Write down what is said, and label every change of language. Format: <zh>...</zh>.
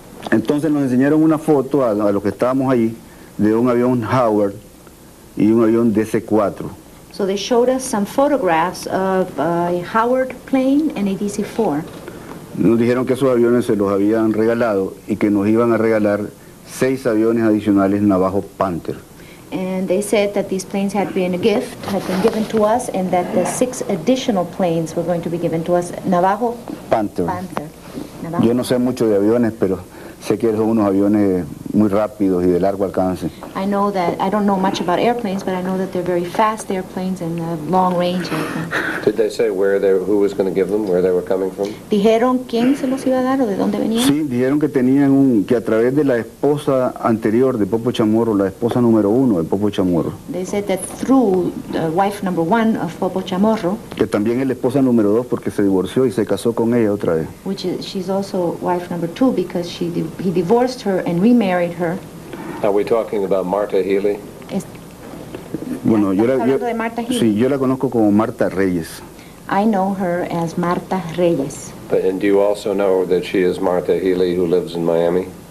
<es>Entonces nos enseñaron una foto a los que estábamos ahí de un avión Howard y un avión DC-4.</es> <en>So they showed us some photographs of a Howard plane and a DC-4.</en> <es>Nos dijeron que esos aviones se los habían regalado y que nos iban a regalar 6 aviones adicionales Navajo Panther.</es> <en>And they said that these planes had been a gift, had been given to us, and that the 6 additional planes were going to be given to us Navajo Panther. Panther. Navajo.</en> <es>Yo no sé mucho de aviones, pero sé que son unos aviones muy rápidos y de largo alcance.</es> <en>I know that, I don't know much about airplanes, but I know that they're very fast airplanes and long range airplanes. Did they say who was going to give them, where they were coming from?</en> <es>Dijeron quién se los iba a dar o de dónde venían. Sí, dijeron que tenían que a través de la esposa anterior de Popo Chamorro, la esposa número uno de Popo Chamorro.</es> <en>They said that through the wife number one of Popo Chamorro.</en> <es>Que también es la esposa número dos porque se divorció y se casó con ella otra vez.</es> <en>Which is, she's also wife number two because he divorced her and remarried her. Are we talking about Marta Healy?</en> <es>Bueno, Marta Healy? Sí, yo la conozco como Marta Reyes.</es> <en>I know her as Marta Reyes. But, and do you also know that she is Marta Healy who lives in Miami?</en>